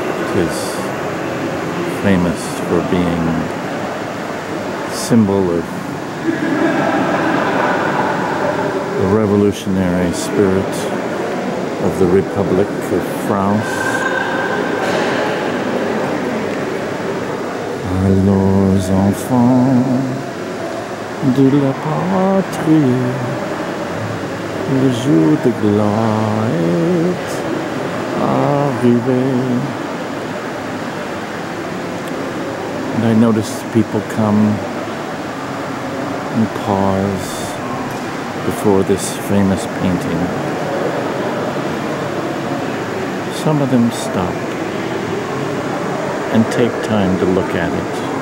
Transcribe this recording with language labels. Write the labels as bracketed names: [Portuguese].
[English] It is famous for being a symbol of the revolutionary spirit of the Republic of France. [French] Allons enfants de la patrie, le jour de gloire est arrivé. [English] And I notice people come and pause before this famous painting. Some of them stop and take time to look at it.